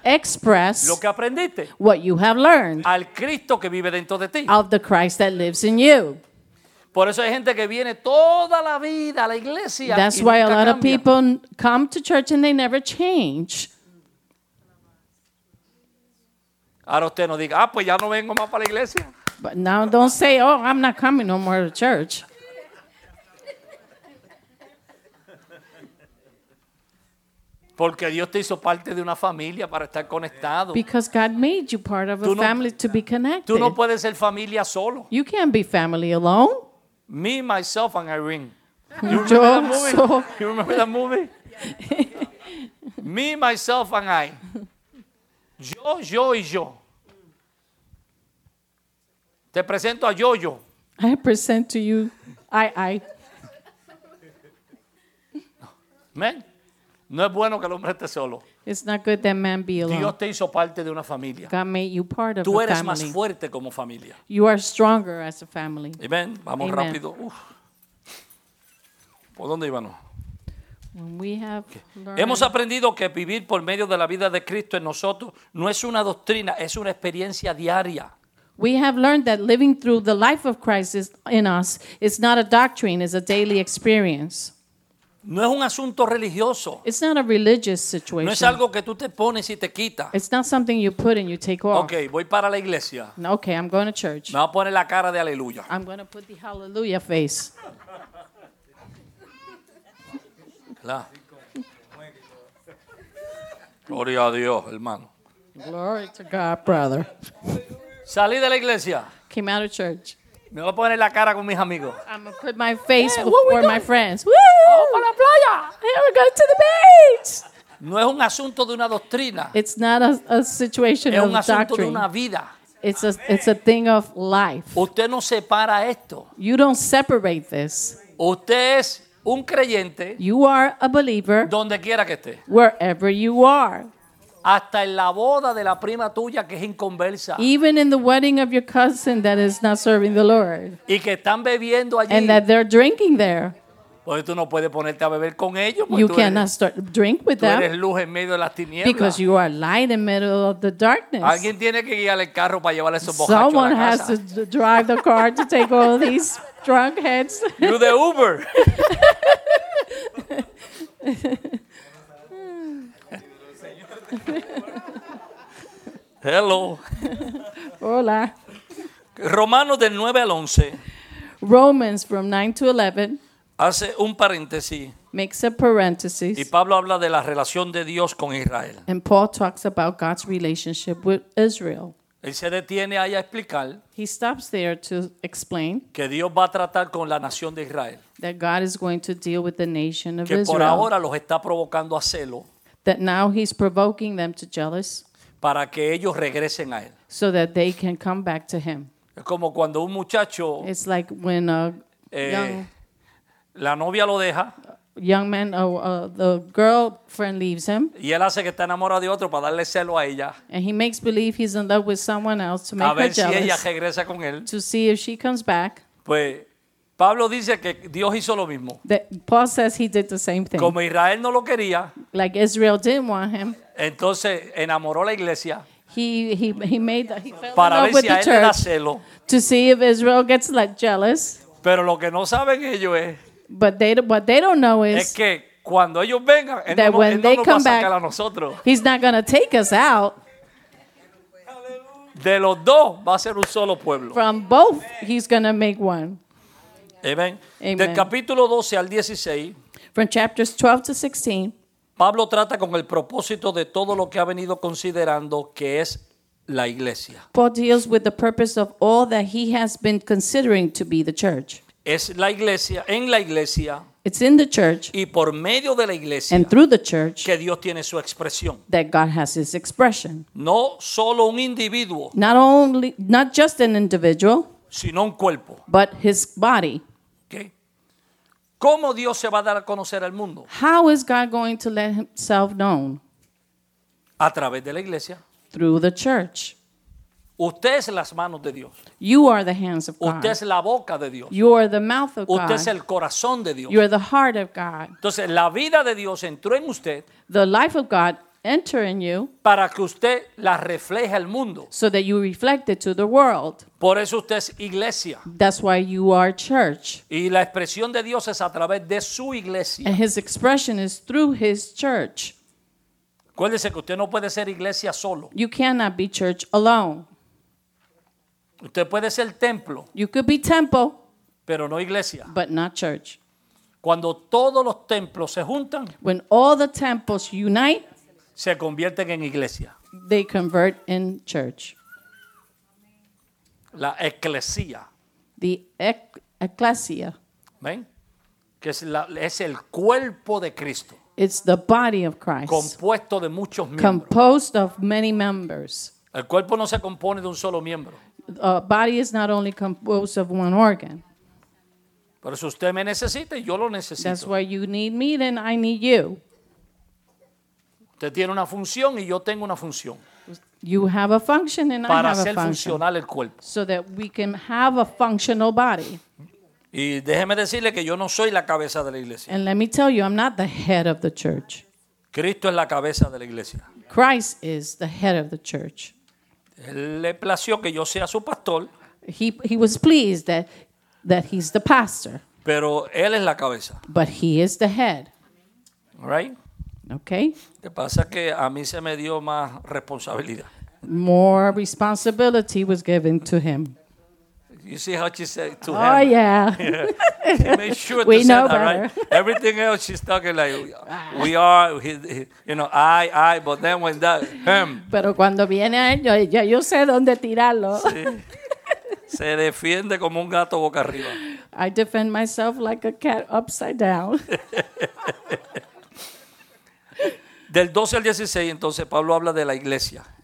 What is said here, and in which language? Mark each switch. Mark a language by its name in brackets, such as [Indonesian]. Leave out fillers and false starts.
[English] Express. [Spanish] Lo que aprendiste. [English] What you have learned. [Spanish] Al Cristo que vive dentro de ti. [English] Of the Christ that lives in you. [Spanish] Por eso hay gente que viene toda la vida a la iglesia. [English] That's why a lot [Spanish] cambia. [English] Of people come to church and they never change. [Spanish] Ahora usted no diga, ah, pues ya no vengo más para la iglesia. [English] But now don't say, oh, I'm not coming no more to church. [Spanish] Porque Dios te hizo parte de una familia para estar conectado. [English] Because God made you part of a family to be connected. [Spanish] Tú no puedes ser familia solo. [English] You can't be family alone. Me, myself, and Irene. You remember that movie? You remember that movie? Me, myself, and I. [Spanish] Yo, y yo. Te presento a yo. [English] I present to you, I. Amen. [Spanish] No es bueno que el hombre esté solo. [English] It's not good that man be alone. [Spanish] Dios te hizo parte de una familia. [English] God made you part of [Spanish] tú eres [English] a family. [Spanish] Más fuerte como familia. [English] You are stronger as a family. [Spanish] Amen. Vamos Amen. Rápido. Uf. ¿Por dónde íbamos? [English] When we have learned, [Spanish] hemos aprendido que vivir por medio de la vida de Cristo en nosotros no es una doctrina, es una experiencia diaria. [English] We have learned that living through the life of Christ is in us is not a doctrine, it's a daily experience. [Spanish] No es un asunto religioso. [English] It's not a religious situation. [Spanish] No es algo que tú te pones y te quita. [English] It's not something you put and you take off. [Spanish] Okay, voy para la iglesia. [English] Okay, I'm going to church. [Spanish] Me voy a poner la cara de aleluya. [English] I'm going to put the hallelujah face. [Spanish] Gloria a Dios, hermano. [English] Glory to God, brother. [Spanish] Salí de la iglesia. [English] Came out of church. [Spanish] Me voy a poner la cara con mis amigos. [English] I'm going to put my face before my friends. [Spanish] Woo! Oh, para la playa. [English] Here we go to the beach. [Spanish] No es un asunto de una doctrina. [English] It's not a situation of doctrine. [Spanish] Es un asunto de una vida. [English] It's a thing of life. [Spanish] Usted no separa esto. [English] You don't separate this. [Spanish] Usted es un creyente. [English] You are a believer. [Spanish] Donde quiera que esté. [English] Wherever you are. [Spanish] Hasta en la boda de la prima tuya que es inconversa. [English] Even in the wedding of your cousin that is not serving the Lord. [Spanish] Y que están bebiendo allí. [English] And that they're drinking there. [Spanish] Pues tú no puedes ponerte a beber con ellos. [English] You cannot start drink with them. [Spanish] Tú eres luz en medio de las tinieblas. [English] Because you are light in the middle of the darkness. [Spanish] Alguien tiene que guiar el carro para llevar esos borrachos a casa. [English] Someone has to drive the car to take all these drunk heads. You the Uber. Hello. [Spanish] Hola. Romanos del 9 al 11. [English] Romans from 9 to 11. [Spanish] Hace un paréntesis. [English] Makes a parenthesis. [Spanish] Y Pablo habla de la relación de Dios con Israel. [English] And Paul talks about God's relationship with Israel. [Spanish] Él se detiene ahí a explicar. [English] He stops there to explain. [Spanish] Que Dios va a tratar con la nación de Israel. [English] That God is going to deal with the nation of Israel. [Spanish] Que por ahora los está provocando a celo. [English] That now he's provoking them to jealous. [Spanish] Para que ellos regresen a él. [English] So that they can come back to him. [Spanish] Es como cuando un muchacho. [English] It's like when a young. [Spanish] La novia lo deja. [English] Young man, the girlfriend leaves him. [Spanish] Y él hace que está enamorado de otro para darle celo a ella. [English] And he makes believe he's in love with someone else to make her jealous. [Spanish] A ver si ella regresa con él. [English] To see if she comes back. [Spanish] Pues. Pablo dice que Dios hizo lo mismo. [English] Paul says he did the same thing. [Spanish] Como Israel no lo quería. [English] Like Israel didn't want him. [Spanish] Entonces enamoró la iglesia. [English] He fell in love with the church. To see if Israel gets like jealous. [Spanish] Pero lo que no saben ellos es. [English] But what they don't know is. [Spanish] Es que cuando ellos vengan, él no nos va a sacar back, a nosotros. [English] He's not going to take us out. [Spanish] De los dos va a ser un solo pueblo. [English] From both he's going to make one. Amen. Amen. [Spanish] Del capítulo 12 al 16, [English] from chapters 12 to 16, [Spanish] Pablo trata con el propósito de todo lo que ha venido considerando que es la iglesia. [English] Paul deals with the purpose of all that he has been considering to be the church. [Spanish] Es la iglesia, en la iglesia. [English] It's in the church. [Spanish] Y por medio de la iglesia. [English] And through the church. [Spanish] Que Dios tiene su expresión. [English] That God has his expression. [Spanish] No solo un individuo. [English] Not just an individual. [Spanish] Sino un cuerpo. [English] But his body. Okay. [Spanish] ¿Cómo Dios se va a dar a conocer al mundo? [English] How is God going to let himself known? [Spanish] A través de la iglesia. [English] Through the church. [Spanish] Usted es las manos de Dios. [English] You are the hands of God. [Spanish] Usted es la boca de Dios. [English] You are the mouth of God. [Spanish] Usted es el corazón de Dios. [English] You are the heart of God. [Spanish] Entonces la vida de Dios entró en usted. [English] The life of God enter in you. [Spanish] Para que usted la refleje al mundo. [English] So that you reflect it to the world. [Spanish] Por eso usted es iglesia. [English] That's why you are church. [Spanish] Y la expresión de Dios es a través de su iglesia. [English] And his expression is through his church. [Spanish] Acuérdese que usted no puede ser iglesia solo. [English] You cannot be church alone. [Spanish] Usted puede ser templo. [English] You could be temple. [Spanish] Pero no iglesia. [English] But not church. [Spanish] Cuando todos los templos se juntan. [English] When all the temples unite. [Spanish] Se convierten en iglesia. [English] They convert in church. [Spanish] La eclesía. [English] The ecclesia. [Spanish] ¿Ven? Que es el cuerpo de Cristo. [English] It's the body of Christ. [Spanish] Compuesto de muchos miembros. [English] Composed of many members. [Spanish] El cuerpo no se compone de un solo miembro. [English] A body is not only composed of one organ. [Spanish] Por eso usted me necesita y yo lo necesito. [English] That's why you need me, then I need you. [Spanish] Usted tiene una función y yo tengo una función. [English] You have a function and [Spanish] para [English] I have a [Spanish] function. Para hacer funcionar el cuerpo. [English] So that we can have a functional body. [Spanish] Y déjeme decirle que yo no soy la cabeza de la iglesia. [English] And let me tell you, I'm not the head of the church. [Spanish] Cristo es la cabeza de la iglesia. [English] Christ is the head of the church. [Spanish] Él le plació que yo sea su pastor. [English] He was pleased that he's the pastor. [Spanish] Pero él es la cabeza. [English] But he is the head. Right? Okay. [Spanish] Lo que pasa es que a mí se me dio más responsabilidad. [English] More responsibility was given to him. You see how she said to oh, him? Oh, yeah. She made sure we to know say that, better. Right? Everything else, she's talking like, we are, you know, I, but then when that, him. [Spanish] Pero cuando viene a ello, ya yo sé dónde tirarlo. Sí. Se defiende como un gato boca arriba. [English] I defend myself like a cat upside down. [Spanish] Del 12 al 16, entonces, Pablo habla de la iglesia.